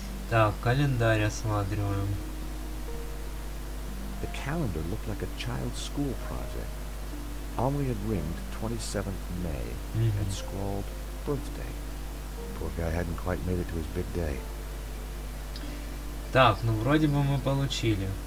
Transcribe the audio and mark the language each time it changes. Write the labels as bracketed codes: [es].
[ru] Так, календарь осматриваем. [en] The calendar looked like a child's school project. Only had ringed 27th May and scrawled birthday. Poor guy hadn't quite made it to his big day. [ru] Так, ну вроде бы мы получили.